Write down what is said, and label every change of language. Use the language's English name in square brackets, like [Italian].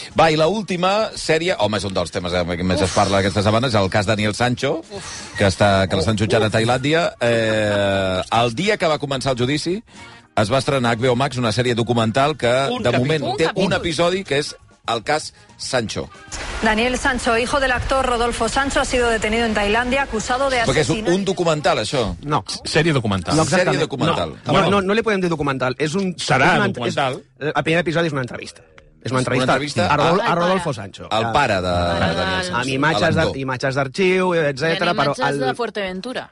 [Catalan] Va, i l'última sèrie, home, és un dels temes que més es parla aquesta setmana, és el cas Daniel Sancho, que l'estan jutjant a Tailàndia. El dia que va començar el judici, es va estrenar a HBO Max una sèrie documental que, de moment, té un episodi que és el cas Sancho. [Spanish] Daniel Sancho, hijo del actor Rodolfo Sancho, ha sido detenido en Tailandia acusado de asesinar... [Catalan] Perquè és un documental, això? No. Sèrie documental. No, sèrie documental. No li podem dir documental. És un... Serà documental. El primer episodi és una entrevista. És una entrevista, a Rodolfo Sancho. El pare de Daniel Sancho. Amb imatges d'arxiu, etc. I imatges de Fuerteventura.